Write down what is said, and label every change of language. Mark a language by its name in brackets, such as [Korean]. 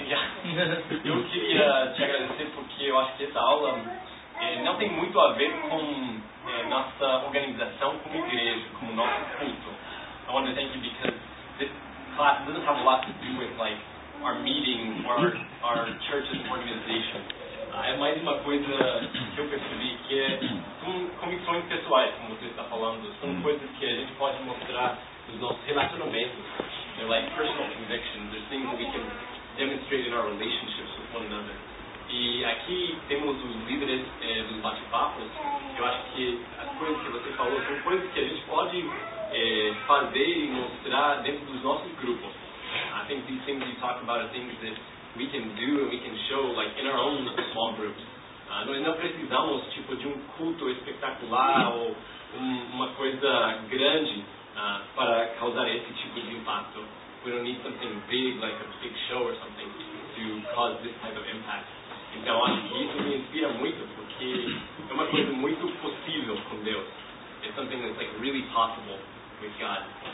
[Portuguese] Eu queria te agradecer porque eu acho que essa aula não tem muito a ver com nossa organização como igreja, como nosso culto. [English] I want to thank you because this class doesn't have a lot to do with like our meeting or our church's organization. [Portuguese] É mais uma coisa que eu percebi que são convicções pessoais, como você está falando, são coisas que a gente pode mostrar nos nossos relacionamentos. [English] They're like personal convictions. There's things that we can demonstrate in our relationships with one another. [Portuguese] E aqui temos os líderes dos bate-papos. Eu acho que as coisas que você falou são coisas que a gente pode fazer e mostrar dentro dos nossos grupos. [English] I think these things you talk about are things that we can do and we can show like in our own small groups. [Portuguese] Nós não precisamos tipo de um culto espetacular ou uma coisa grande para causar esse tipo de impacto. [English] We don't need something big like a big show or something to cause this type of impact. [Portuguese] Então acho que isso me inspira muito porque é uma coisa muito possível com Deus. [English] It's something that's like really possible with God.